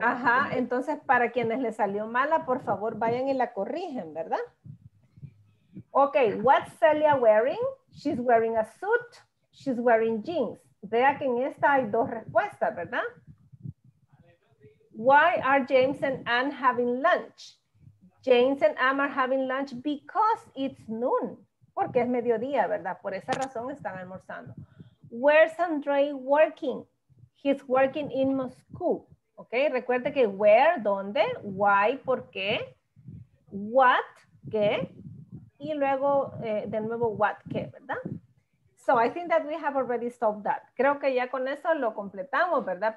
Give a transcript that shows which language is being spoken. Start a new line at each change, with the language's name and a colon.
Spanish: Ajá, entonces para quienes les salió mala, por favor vayan y la corrigen, ¿verdad?
English: Ok, what's Celia wearing? She's wearing a suit. She's wearing jeans.
Spanish: Vea que en esta hay dos respuestas, ¿verdad?
English: Why are James and Anne having lunch? James and Anne are having lunch because it's noon.
Spanish: Porque es mediodía, ¿verdad? Por esa razón están almorzando.
English: Where's Andre working? He's working in Moscú.
Spanish: Ok, recuerde que where, dónde, why, por qué, what, qué, y luego de nuevo what, qué, ¿verdad?
English: So I think that we have already solved that.
Spanish: Creo que ya con eso lo completamos, ¿verdad?